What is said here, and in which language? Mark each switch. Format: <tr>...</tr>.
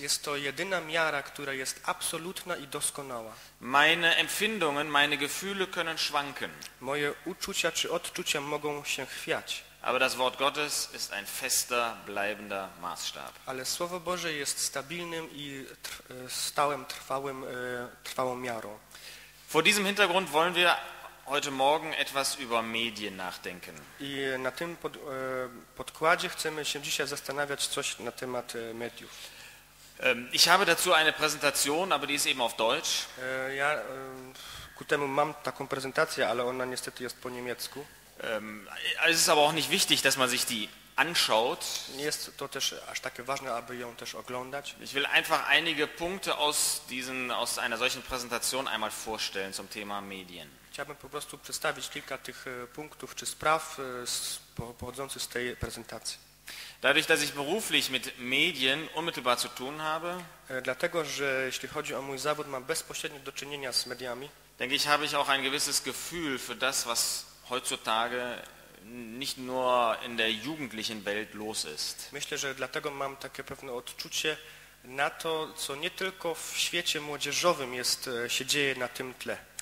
<pl>Jest to jedyna miara, która jest absolutna i doskonała.</pl> <de>Meine Empfindungen, meine Gefühle können schwanken.</de> <pl>Moje uczucia czy odczucia mogą się chwiać.</pl> <de>Aber das Wort Gottes ist ein fester, bleibender Maßstab.</de> <pl>Ale Słowo Boże jest stabilnym i stałym, trwałą miarą.</pl> <de>Vor diesem Hintergrund wollen wir heute Morgen etwas über Medien nachdenken.</de> <pl>I na tym podkładzie chcemy się dzisiaj zastanawiać coś na temat mediów.</pl> <de>Ich habe dazu eine Präsentation, aber die ist eben auf Deutsch.</de> <pl>Ja, ku temu mam taką prezentację, ale ona niestety jest po niemiecku.</pl> <de>Es ist aber auch nicht wichtig, dass man sich die anschaut.</de> <pl>Nie jest to też aż takie ważne, aby ją też oglądać.</pl> <de>Ich will einfach einige Punkte aus einer solchen Präsentation einmal vorstellen zum Thema Medien.</de> <pl>Chciałbym po prostu przedstawić kilka tych punktów czy spraw pochodzących z tej prezentacji.</pl> <de>Dadurch, dass ich beruflich mit Medien unmittelbar zu tun habe,</de> <pl>dlatego, że jeśli chodzi o mój zawód, mam bezpośrednio do czynienia z mediami,</pl> <de>denke ich, habe ich auch ein gewisses Gefühl für das, was heutzutage nicht nur in der jugendlichen Welt los ist.</de> <pl>Myślę, że dlatego mam takie pewne odczucie na to, co nie tylko w świecie młodzieżowym jest, się dzieje na tym tle.</pl>